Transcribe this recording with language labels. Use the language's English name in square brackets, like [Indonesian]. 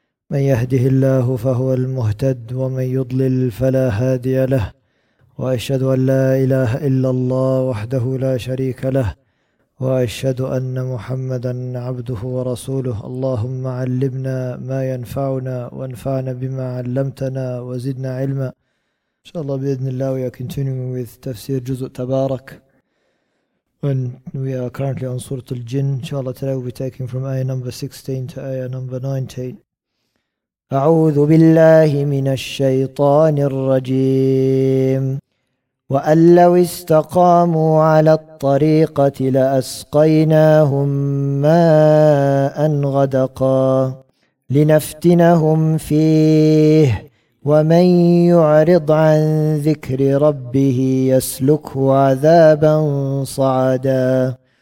[Arabic] من يهده الله فهو المهتد ومن يضلل فلا هادي له وأشهد أن لا إله إلا الله وحده لا شريك له وأشهد أن محمدًا عبده ورسوله اللهم علمنا ما ينفعنا وانفعنا بما علمتنا وزدنا علما إن شاء الله بإذن الله. [English] We are continuing with Tafseer جزء تبارك, and we are currently on Surat al-Jinn. إن شاء الله today we'll be taking from ayah number 16 to ayah number 19. [Arabic] أعوذ بالله من الشيطان الرجيم وأن لو استقاموا على الطريقة لأسقيناهم ماء غدقا لنفتنهم فيه ومن يعرض عن ذكر ربه يسلكه عذابا صعدا